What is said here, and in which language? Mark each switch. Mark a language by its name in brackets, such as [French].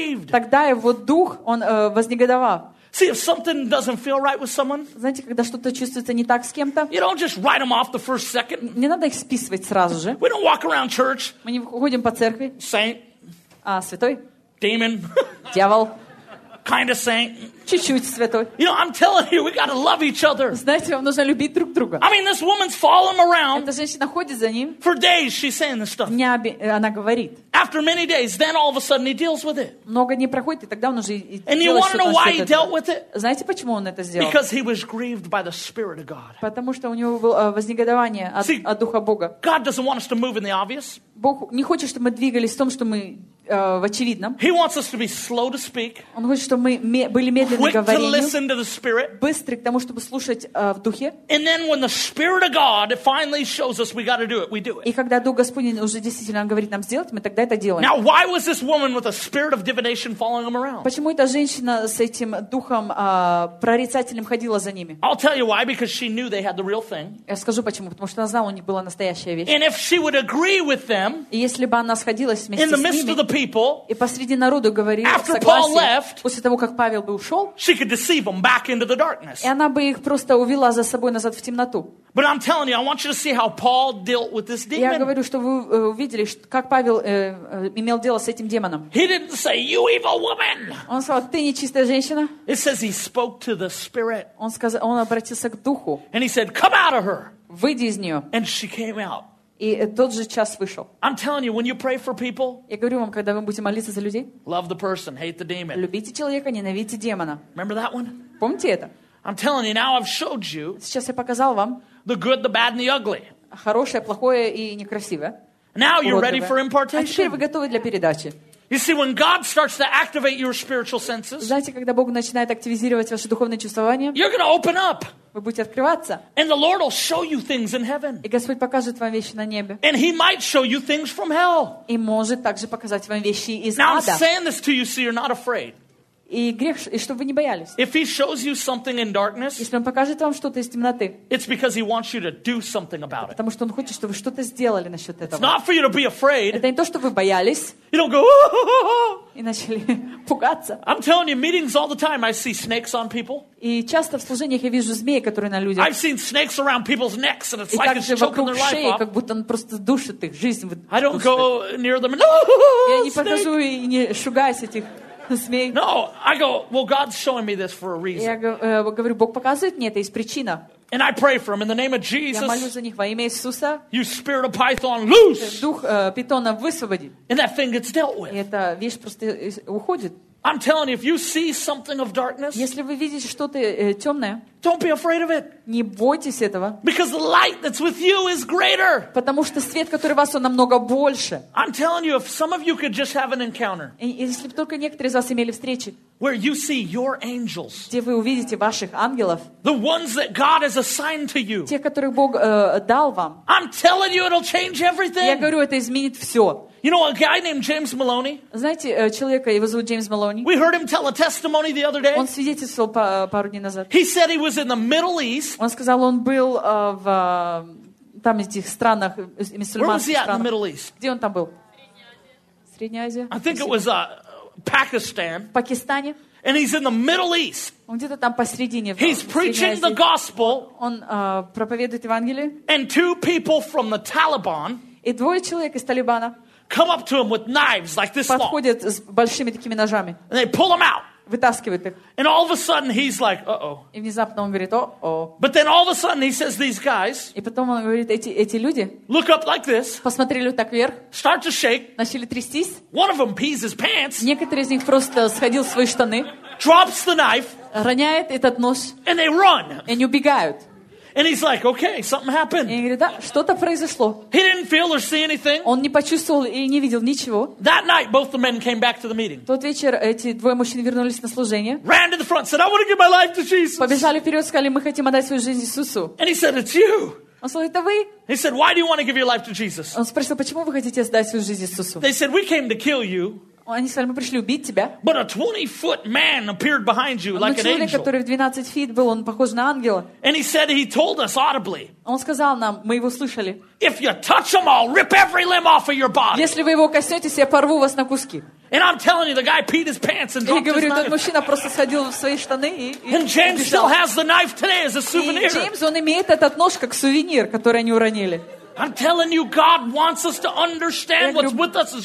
[Russian] Тогда его дух, он вознегодовал. [English] See, if something doesn't feel right with someone, [Russian] знаете, когда что-то чувствуется не так с кем-то, [English] you don't just write them off the first second. [Russian] Не надо их списывать сразу же. [English] We don't walk around church. [Russian] Мы не ходим по церкви. [English] Saint. [Russian] А, святой. [English] Demon. [Russian] Дьявол. [English] Kind of saint. [Russian] Чуть-чуть святой. [English] You know, I'm telling you, we gotta love each other. [Russian] Знаете, вам нужно любить друг друга. [English] I mean, this woman's following around. [Russian] Эта женщина ходит за ним. [English] For days, she's saying this stuff. [Russian] Днями она говорит. [English] After many days, then all of a sudden he deals with it. [Russian] Много дней проходит, и тогда он уже делает что-то с этим. [English] And you want to know why he dealt with it? [Russian] Знаете, почему он это сделал? [English] Because he was grieved by the Spirit of God. [Russian] Потому что у него было вознегодование от Духа Бога. [English] God doesn't want us to move in the obvious. [Russian] Бог не хочет, чтобы мы двигались в том, что мы в очевидном. [English] He wants us to be slow to speak. [Russian] Он хочет, чтобы мы были медленны к говорению. [English] Quick to listen to the Spirit. [Russian] Быстры к тому, чтобы слушать в духе. [English] And then when the Spirit of God finally shows us we got to do it, we do it. [Russian] И когда Дух Господень уже действительно говорит нам сделать, мы тогда это делаем. [English] Now why was this woman with a spirit of divination following him around? [Russian] Почему эта женщина с этим духом прорицательным ходила за ними? [English] I'll tell you why, because she knew they had the real thing. [Russian] Я скажу почему, потому что она знала, у них была настоящая вещь. [English] And if she would agree with them. [Russian] И если бы она сходилась вместе [English] in the midst [Russian] с ними. [English] Of the [Russian] и посреди народу говорил согласие, после того, как Павел бы ушел, [English] she could deceive them back into the darkness. [Russian] И она бы их просто увела за собой назад в темноту. [English] But I'm telling you, I want you to see how Paul dealt with this demon. [Russian] Я говорю, что вы увидели, как Павел имел дело с этим демоном. [English] He didn't say, "You evil woman." [Russian] Он сказал, ты нечистая женщина. [English] It says he spoke to the spirit. [Russian] Он обратился к духу. [English] And he said, "Come out of her." [Russian] Выйди из нее. [English] And she came out. [Russian] И тот же час вышел. [English] I'm telling you, when you pray for people, [Russian] я говорю вам, когда вы будете молиться за людей, [English] love the person, hate the demon. [Russian] Любите человека, ненавидите демона. [English] Remember that one? [Russian] Помните это? [English] I'm telling you, now I've showed you. [Russian] Сейчас я показал вам [English] the good, the bad, and the ugly. [Russian] Хорошее, плохое и некрасивое. [English] Now you're ready for impartation. [Russian] А теперь вы готовы для передачи. [English] You see, when God starts to activate your spiritual senses, [Russian] знаете, когда Бог начинает активизировать ваши духовные чувствования, [English] you're going to open up. [Russian] Вы будете открываться. [English] And the Lord will show you things in heaven. [Russian] И Господь покажет вам вещи на небе. [English] And He might show you things from hell. [Russian] И может также показать вам вещи из [English] Now, [Russian] ада. [English] Now I'm saying this to you so you're not afraid. [Russian] И грех, и чтобы вы не боялись. [English] If He shows you something in darkness, [Russian] если Он покажет вам что-то из темноты, [English] it's because He wants you to do something about it. [Russian] Потому что Он хочет, чтобы вы что-то сделали насчет этого. [English] It's not for you to be afraid. [Russian] Это не то, чтобы вы боялись. [English] You don't go, oh-oh-oh-oh! [Russian] И начали пугаться. [English] I'm telling you, meetings all the time, I see snakes on people. [Russian] И часто в служениях я вижу змеи, которые на людях. [English] I've seen snakes around people's necks, and it's [Russian] и [English] like it's choking their life off. [Russian] И также вокруг шеи, как будто он просто душит их, жизнь душит. [English] I don't go near them. No, snake! [Russian] Я не подхожу и не шугаюсь этих. [English] No, I go. Well, God's showing me this for a reason. [Russian] Я говорю, Бог показывает мне это, есть причина. [English] And I pray for him in the name of Jesus. [Russian] Я молюсь за них во имя Иисуса. [English] You spirit of Python, loose. [Russian] Дух питона высвободи. [English] And that thing gets dealt with. [Russian] И эта вещь просто уходит. [English] I'm telling you, if you see something of darkness, [Russian] если вы видите что-то темное, [English] don't be afraid of it. [Russian] Не бойтесь этого. [English] Because the light that's with you is greater. [Russian] Потому что свет, который у вас, он намного больше. [English] I'm telling you, if some of you could just have an encounter, [Russian] если бы только некоторые из вас имели встречи, [English] where you see your angels, [Russian] где вы увидите ваших ангелов, [English] the ones that God has assigned to you, [Russian] те, которых Бог дал вам, [English] I'm telling you, it'll change everything. [Russian] Я говорю, это изменит все. [English] You know a guy named James Maloney? [Russian] Знаете, человека, его зовут Джеймс Малони. [English] We heard him tell a testimony the other day. [Russian] Он свидетельствовал пару дней назад. [English] He said he was in the Middle East. [Russian] Он сказал, он был в там этих странах, мусульманских странах. [English] Where was he at in the Middle East? [Russian] Где он там был? Средняя Азия. [English] I think it was Pakistan. [Russian] В Пакистане. [English] And he's in the Middle East. [Russian] Он где-то там посередине. [English] He's preaching the gospel. [Russian] Он проповедует Евангелие. [English] And two people from the Taliban. [Russian] И двое человек из Талибана. [English] Come up to him with knives like this. [Russian] Подходят с большими такими ножами. [English] And they pull him out. [Russian] Вытаскивают их. [English] And all of a sudden he's like, uh-oh. [Russian] И внезапно он говорит, о-о. [English] But then all of a sudden he says, these guys. [Russian] И потом он говорит, эти люди. [English] Look up like this. [Russian] Посмотрели так вверх. [English] Start to shake. [Russian] Начали трястись. [English] One of them pees his pants. [Russian] Некоторые из них просто сходил в свои штаны. [English] Drops the knife. [Russian] Роняет этот нож. [English] And they run. [Russian] И они убегают. [English] And he's like, okay, something happened. [Russian] И он говорит, да, что-то произошло. [English] He didn't feel or see anything. [Russian] Он не почувствовал и не видел ничего. [English] That night, both the men came back to the meeting. [Russian] Тот вечер эти двое мужчин вернулись на служение. [English] Ran to the front, said, I want to give my life to Jesus. [Russian] Побежали вперед, сказали, мы хотим отдать свою жизнь Иисусу. [English] And he said, it's you. [Russian] Он сказал, это вы. [English] He said, why do you want to give your life to Jesus? [Russian] Он спросил, почему вы хотите отдать свою жизнь Иисусу? [English] They said, we came to kill you. [Russian] Они сказали, мы пришли убить тебя. [English] But a 20-foot man appeared behind you, like an angel. [Russian] Но человек, который в 12 [English] feet [Russian] был, он похож на ангела. [English] And he said he told us audibly. [Russian] Он сказал нам, мы его слышали. [English] If you touch him, I'll rip every limb off of your body. [Russian] Если вы его коснетесь, я порву вас на куски. [English] And I'm telling you, the guy peed his pants and dropped his knife. [Russian] Я говорю, тот мужчина просто сходил в свои штаны и [English] And James still has the knife today as a souvenir. [Russian] И Джеймс, он имеет этот нож как сувенир, который они уронили. [English] I'm telling you, God wants us to understand what's with us is